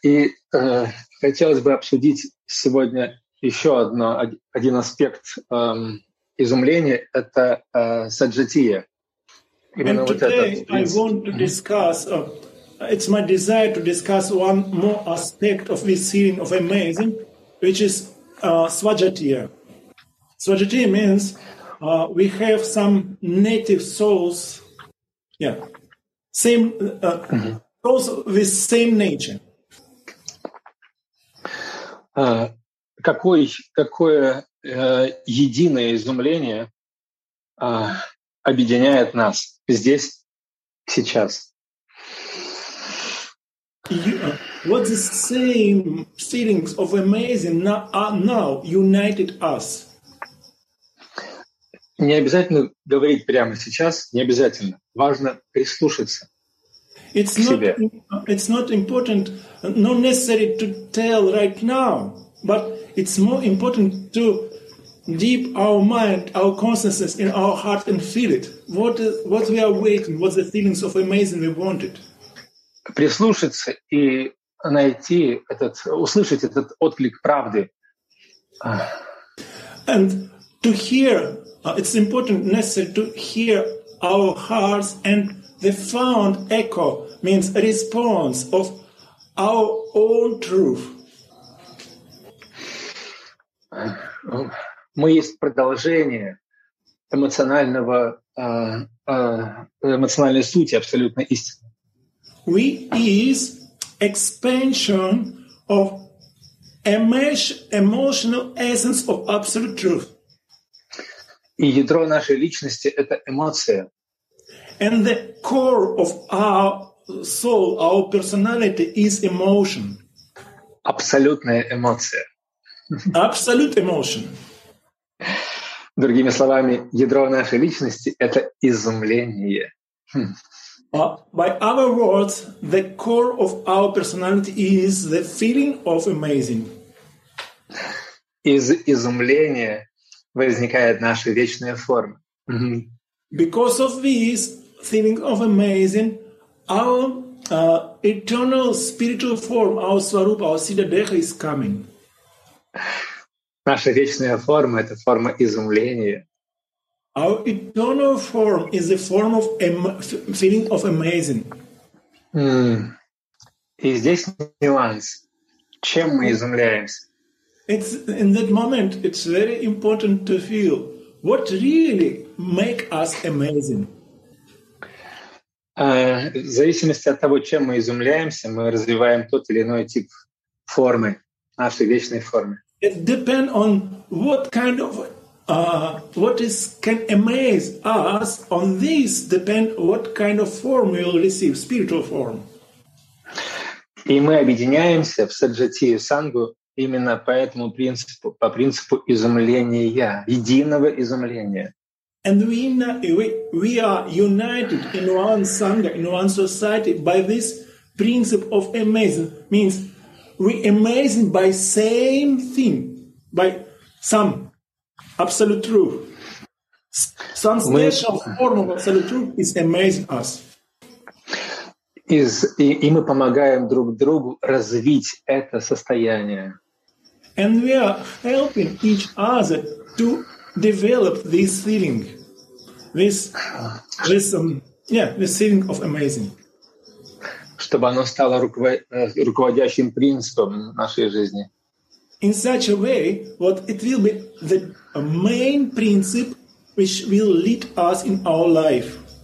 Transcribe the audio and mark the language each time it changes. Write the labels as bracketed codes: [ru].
[ru] И хотелось бы обсудить сегодня еще одно, один аспект изумления — это саджатия. [en] And today I want to discuss, it's my desire to discuss one more aspect of this feeling of amazing, which is svajatiya. Svajatiya means we have some native souls, souls with same nature. [ru] Какое единое изумление объединяет нас здесь, сейчас. [en] What the same feelings of amazing now united us? [ru] Не обязательно говорить прямо сейчас, не обязательно. Важно прислушаться [en] it's к not, [ru] себе. [en] It's not important, not necessary to tell right now, but it's more important to deep our mind, our consciousness in our heart and feel it. What we are waiting, what the feelings of amazing we wanted. [ru] Прислушаться и найти этот, услышать этот отклик правды. [en] And to hear, it's important, necessary to hear our hearts and the found echo means a response of our own truth. [ru] Мы есть продолжение эмоционального эмоциональной сути абсолютной истины. [en] We is expansion of emotional essence of absolute truth. [ru] И ядро нашей личности — это эмоция. [en] And the core of our soul, our personality is emotion. [ru] Абсолютная эмоция. [en] Absolute emotion. [ru] Другими словами, ядро нашей личности — это изумление. [en] By other words, the core of our personality is the feeling of amazing. [ru] Из изумления возникает наша вечная форма. [en] Because of this feeling of amazing, our eternal spiritual form, our Swarupa, our Siddha Deha is coming. [ru] Наша вечная форма — это форма изумления. [en] Our eternal form is the form of feeling of amazing. [ru] И здесь нюанс. Чем мы изумляемся? [en] It's in that moment, it's very important to feel what really make us amazing. [ru] В зависимости от того, чем мы изумляемся, мы развиваем тот или иной тип формы, нашей вечной формы. [en] It depends on what kind of what is can amaze us. On this depend what kind of form we will receive, spiritual form. [ru] И мы объединяемся в саджатию сангу именно по этому принципу, по принципу изумления, единого изумления. [en] And we are united in one sangha, in one society by this principle of amazing means. We amazing by same thing, by some absolute truth. Some special form of absolute truth is amazing us. [ru] И мы помогаем друг другу развить это состояние. [en] And we are helping each other to develop this feeling. This feeling of amazing. [ru] Чтобы оно стало руководящим принципом нашей жизни. [en] In such a way, what it will be the main principle which will lead us in our life.